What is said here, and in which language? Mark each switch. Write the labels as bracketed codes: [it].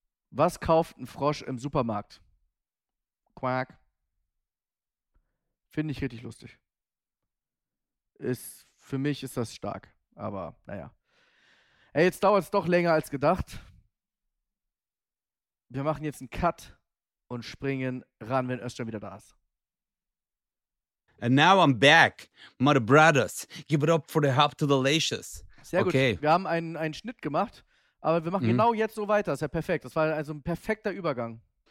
[de] Was kauft ein Frosch im Supermarkt? Quack. Finde ich richtig lustig. Für mich ist das stark, aber naja. Ey, jetzt dauert es doch länger als gedacht. Wir machen jetzt einen Cut und springen ran, wenn Özcan wieder da ist. [en] And now I'm back, my brothers. Give it up for the help to the lashes. [de] Sehr okay. Gut, wir haben einen Schnitt gemacht, aber wir machen genau jetzt so weiter. Das ist ja perfekt, das war also ein perfekter Übergang.